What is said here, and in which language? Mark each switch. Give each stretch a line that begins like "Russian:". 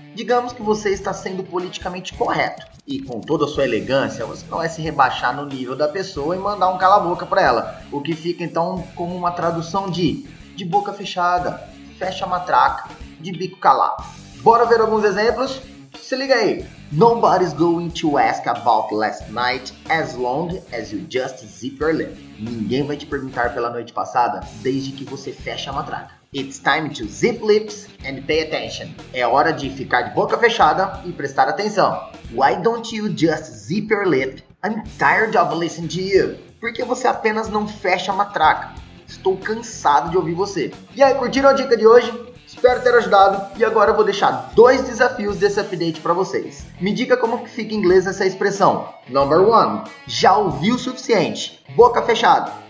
Portuguese: Digamos que você está sendo politicamente correto e com toda a sua elegância você não vai se rebaixar no nível da pessoa e mandar um cala a boca pra ela, o que fica então como uma tradução de boca fechada, fecha a matraca, de bico calado. Bora ver alguns exemplos? Se liga aí!
English: Nobody's going to ask about last night as long as you just zip your lip.
Portuguese: Ninguém vai te perguntar pela noite passada desde que você fecha a matraca.
English: It's time to zip lips and pay attention.
Portuguese: É hora de ficar de boca fechada e prestar atenção.
English: Why don't you just zip your lip? I'm tired of listening to you.
Portuguese: Por que você apenas não fecha a matraca? Estou cansado de ouvir você. E aí, curtiram a dica de hoje? Espero ter ajudado e agora eu vou deixar dois desafios desse update para vocês. Me diga como que fica em inglês essa expressão.
English: Number one,
Portuguese: já ouviu o suficiente. Boca fechada.